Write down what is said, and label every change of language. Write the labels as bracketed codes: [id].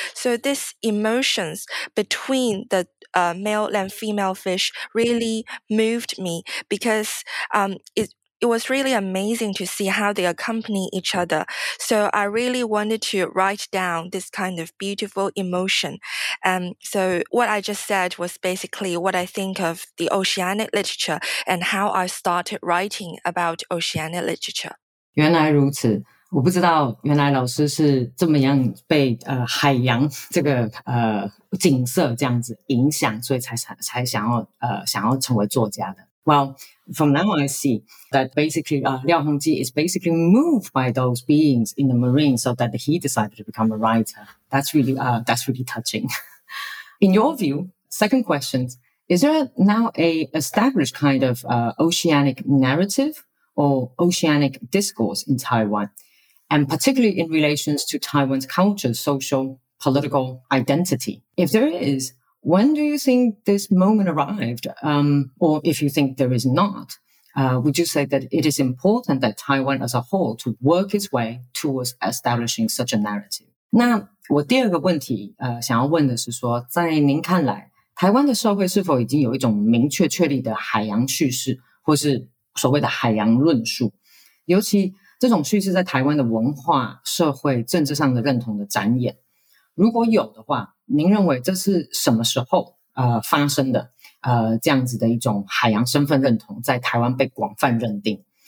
[en] So this emotions between the male and female fish really moved me, because it was really amazing to see how they accompany each other. So I really wanted to write down this kind of beautiful emotion. So what I just said was basically what I think of the oceanic literature and how I started writing about oceanic literature. [zh] 原来如此，我不知道原来老师是这么样被海洋这个景色这样子影响，所以才想要成为作家的。 [en] Well, from now I see that basically, Liao Hongji is basically moved by those beings in the marine so that he decided to become a writer. That's really touching. In your view, second question, is there now a established kind of oceanic narrative or oceanic discourse in Taiwan? And particularly in relations to Taiwan's culture, social, political identity. If there is, when do you think this moment arrived? Or if you think there is not, would you say that it is important that Taiwan as a whole to work its way towards establishing such a narrative? [zh] 那我第二个问题想要问的是说，在您看来，台湾的社会是否已经有一种明确确立的海洋叙事，或是所谓的海洋论述？尤其这种叙事在台湾的文化、社会、政治上的认同的展演，如果有的话，您认为这是什么时候发生的这样子的一种海洋身份认同在台湾被广泛认定？